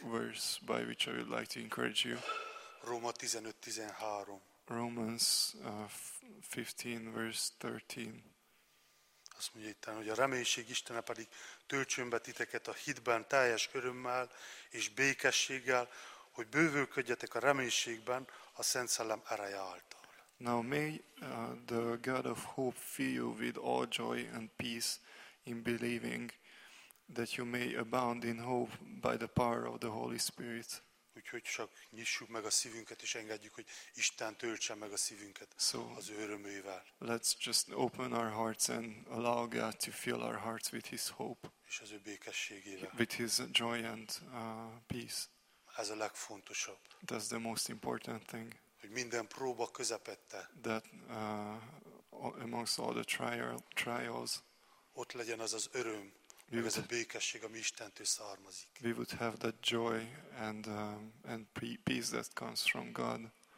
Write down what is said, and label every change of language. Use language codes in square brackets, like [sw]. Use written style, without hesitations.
[en] Verse by which I would like to encourage you. [hu] Róma 15:13. [en] Romans 15 verse 13. [hu] Azt mondja itten, hogy a reménység Istene pedig töltsön be titeket a hitben teljes örömmel és békességgel, hogy bővölködjetek a reménységben a Szent Szellem ereje által. [en] Now may the God of hope fill you with all joy and peace in believing, that you may abound in hope by the power of the Holy Spirit. [hu] Úgyhogy csak nyissuk meg a szívünket, és engedjük, hogy Isten töltse meg a szívünket az ő örömével. [en] Let's just open our hearts and allow God to fill our hearts with his hope. [hu] És az ő békességével. [en] With his joy and peace. [hu] Ez a legfontosabb. [en] That's the most important thing. [hu] Hogy minden próba közepette. [en] That amongst all the trials. [hu] Ott legyen az az öröm. Meg ez a békesség, ami Istentől származik. [en] We would have that joy and peace that comes from God.